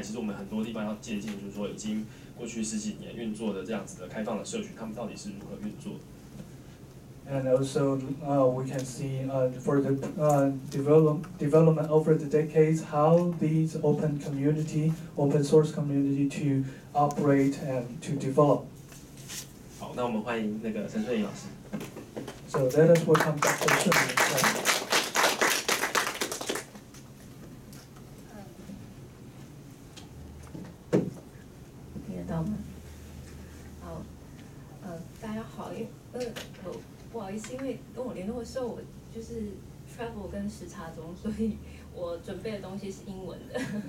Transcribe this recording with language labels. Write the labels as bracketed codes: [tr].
[zh] 其实我们很多地方要借鉴，就是说已经过去十几年运作的这样子的开放的社群，他们到底是如何运作的。 [en] And also, we can see for the development over the decades, how these open community, open source community to operate and to develop. [zh] 好，那我们欢迎那个陈顺林老师。 [en] So let us welcome Dr. 顺林。 Thank you for having [zh] 不好意思，因为跟我联络的时候，我就是 travel 跟时差中，所以我准备的东西是英文的。